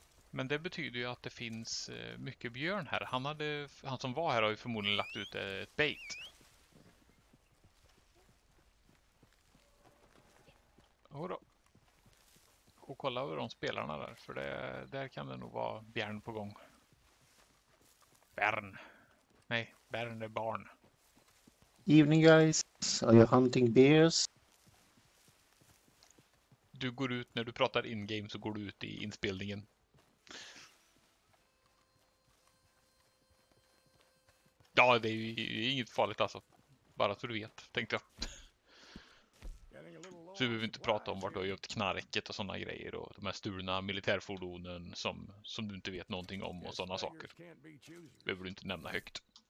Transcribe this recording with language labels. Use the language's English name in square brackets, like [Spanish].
[Swedish] Men det betyder ju att det finns mycket björn här. Han som var här har ju förmodligen lagt ut ett bait. Och kolla över de spelarna där, för där kan det nog vara björn på gång. Bern. Nej, Bern är barn. [English] Evening guys, are you hunting bears? [Swedish] Du går ut, när du pratar in-game så går du ut i inspelningen. Ja, det är ju inget farligt alltså. Bara så du vet, tänkte jag. Så vi behöver inte prata om vart du har gjort knarket och sådana grejer och de här stulna militärfordonen som du inte vet någonting om och sådana saker. Behöver du inte nämna högt.